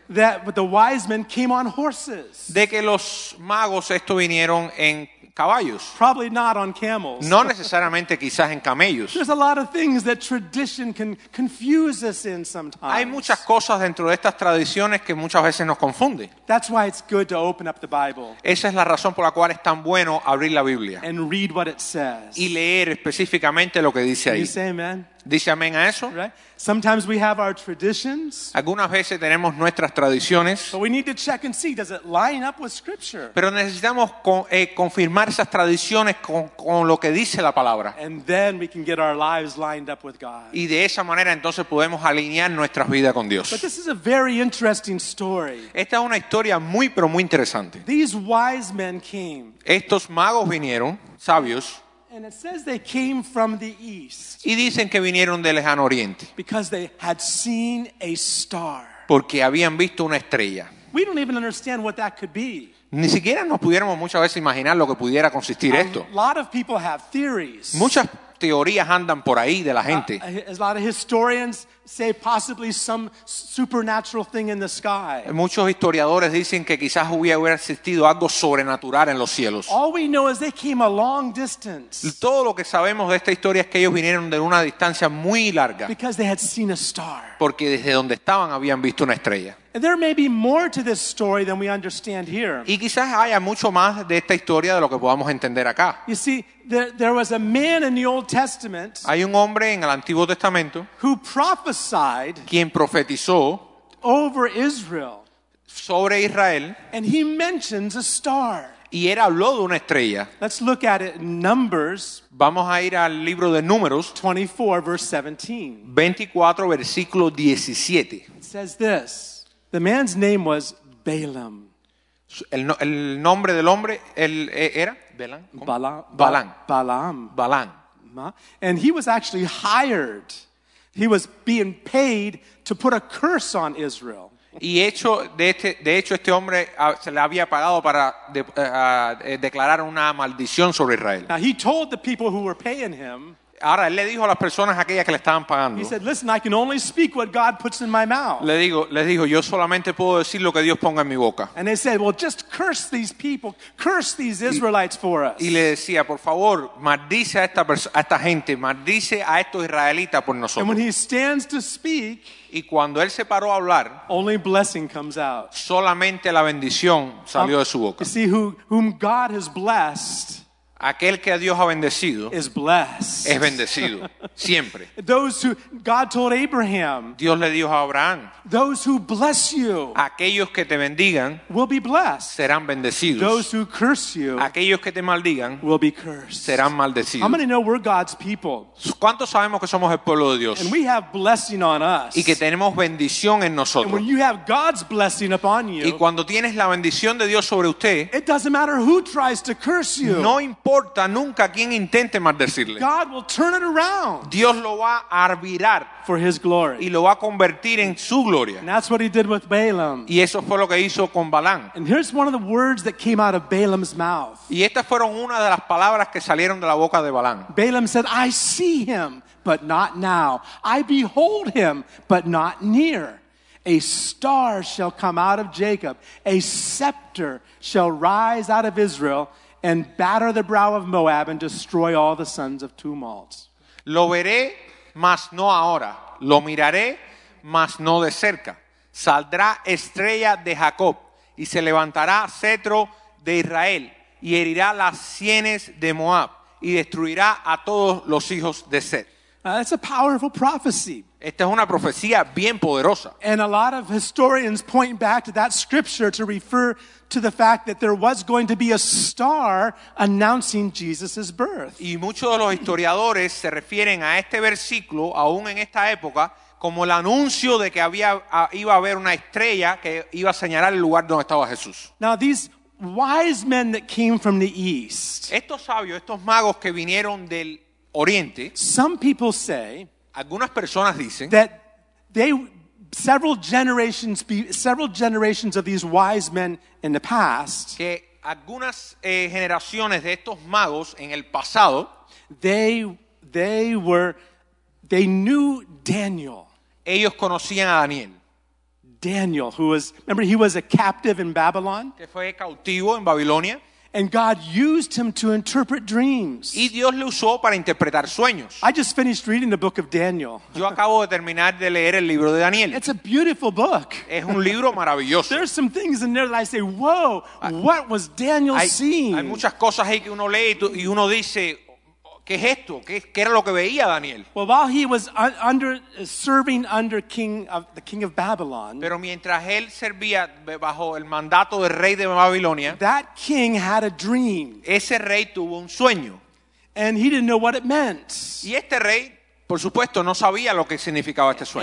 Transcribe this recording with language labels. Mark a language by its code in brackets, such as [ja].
[en] That the wise men came on horses. [es] De que los magos esto vinieron en caballos. [en] Probably not on camels. [es] No necesariamente, quizás en camellos. [en] There's a lot of things that tradition can confuse us in sometimes. [es] Hay muchas cosas dentro de estas tradiciones que muchas veces nos confunden. [en] That's why it's good to open up the Bible. [es] Esa es la razón por la cual es tan bueno abrir la Biblia. [en] And read what it says. [es] Y leer específicamente lo que dice ahí. [en] You say amen. [es] ¿Dice amén a eso? [en] Right? Sometimes we have our traditions. [es] Algunas veces tenemos nuestras tradiciones. [en] But we need to check and see, does it line up with Scripture? [es] Pero necesitamos confirmar esas tradiciones con lo que dice la palabra. [en] And then we can get our lives lined up with God. [es] Y de esa manera entonces podemos alinear nuestras vidas con Dios. [en] But this is a very interesting story. [es] Esta es una historia muy, pero muy interesante. [en] These wise men came. [es] Estos magos vinieron, sabios. [en] And it says they came from the east. [es] Y dicen que vinieron del lejano oriente. [en] Because they had seen a star. [es] Porque habían visto una estrella. [en] We don't even understand what that could be. [es] Ni siquiera nos pudiéramos muchas veces imaginar lo que pudiera consistir esto. [en] A lot of people have theories. [es] Muchas teorías andan por ahí de la gente. [en] A lot of historians say possibly some supernatural thing in the sky. [es] Muchos historiadores dicen que quizás hubiera existido algo sobrenatural en los cielos. [en] All we know is they came a long distance. [es] Todo lo que sabemos de esta historia es que ellos vinieron de una distancia muy larga. [en] Because they had seen a star. [es] Porque desde donde estaban habían visto una estrella. [en] And there may be more to this story than we understand here. [es] Y quizás haya mucho más de esta historia de lo que podamos entender acá. [en] You see, there was a man in the Old Testament. [es] Hay un hombre en el Antiguo Testamento. [en] Who prophesied. [es] Quien profetizó. [en] Over Israel. [es] Sobre Israel. [en] And he mentions a star. [es] Y él habló de una estrella. [en] Let's look at it in Numbers. [es] Vamos a ir al libro de Números. [en] 24, verse 17. [es] 24, versículo 17. [en] It says this. The man's name was Balaam. [es] El nombre del hombre era Balaam. [en] Balaam. And he was actually hired. He was being paid to put a curse on Israel. [es] Y hecho de hecho este hombre se le había pagado para declarar una maldición sobre Israel. [en] Now he told the people who were paying him. [es] Ahora él le dijo a las personas aquellas que le estaban pagando. [en] He said, "Listen, I can only speak what God puts in my mouth." [es] Les dijo, yo solamente puedo decir lo que Dios ponga en mi boca. [en] And they said, "Well, just curse these people, curse these Israelites for us." [es] Y le decía, por favor, maldice a esta gente, maldice a estos israelitas por nosotros. [en] And when he stands to speak, [es] y cuando él se paró a hablar, [en] only blessing comes out. [es] Solamente la bendición salió de su boca. [en] You see, whom God has blessed. [es] Aquel que a Dios ha bendecido [en] is blessed. [es] Es bendecido siempre. [en] Those who God told Abraham. [es] Dios le dijo a Abraham. [en] Those who bless you. [es] Aquellos que te bendigan [en] will be blessed. [es] Serán bendecidos. [en] Those who curse you. [es] Aquellos que te maldigan [en] will be cursed. [es] Serán maldecidos. [en] How many know we're God's people? [es] ¿Cuántos sabemos que somos el pueblo de Dios? [en] And we have blessing on us. [es] Y que tenemos bendición en nosotros. [en] And when you have God's blessing upon you. [es] Y cuando tienes la bendición de Dios sobre usted. [en] It doesn't matter who tries to curse you. [es] No importa nunca quien intente maldecirle. [en] God will turn it around. [es] Dios lo va a virar [en] for his glory. [es] Y lo va a convertir en su gloria. [en] And that's what he did with Balaam. [es] Y eso fue lo que hizo con Balán. [en] And here's one of the words that came out of Balaam's mouth. [es] Y estas fueron una de las palabras que salieron de la boca de Balán. [en] Balaam said, "I see him, but not now. I behold him, but not near. A star shall come out of Jacob. A scepter shall rise out of Israel." And batter the brow of Moab and destroy all the sons of tumult. [es] Lo veré, mas no ahora. Lo miraré, mas no de cerca. Saldrá estrella de Jacob, y se levantará cetro de Israel, y herirá las sienes de Moab, y destruirá a todos los hijos de Seth. [en] That's a powerful prophecy. [es] Esta es una profecía bien poderosa. [en] And a lot of historians point back to that scripture to refer to the fact that there was going to be a star announcing Jesus's birth. [es] Y muchos de los historiadores se refieren a este versículo aún en esta época como el anuncio de que había iba a haber una estrella que iba a señalar el lugar donde estaba Jesús. [en] Now these wise men that came from the east. [es] Estos sabios, estos magos que vinieron del oriente. [en] Some people say, [es] algunas personas dicen, [en] that they several generations of these wise men in the past, [es] que algunas generaciones de estos magos en el pasado, [en] they knew Daniel. [es] Ellos conocían a Daniel. [en] Daniel, who was, remember, he was a captive in Babylon. [es] Que fue cautivo en Babilonia. [en] And God used him to interpret dreams. [es] Y Dios lo usó para interpretar sueños. [en] I just finished reading the book of Daniel. [es] Yo acabo de terminar de leer el libro de Daniel. [en] It's a beautiful book. [es] Es un libro maravilloso. [en] There's some things in there that I say, whoa, what was Daniel seeing? [es] Hay muchas cosas ahí que uno lee y uno dice, ¿qué es esto? ¿Qué era lo que veía Daniel? [en] Well, while he was serving under the king of Babylon, [es] pero mientras él servía bajo el mandato del rey de Babilonia, [en] that king had a dream. [es] Ese rey tuvo un sueño. [en] And he didn't know what it meant. [es] Y este rey, por supuesto, no sabía lo que significaba este sueño.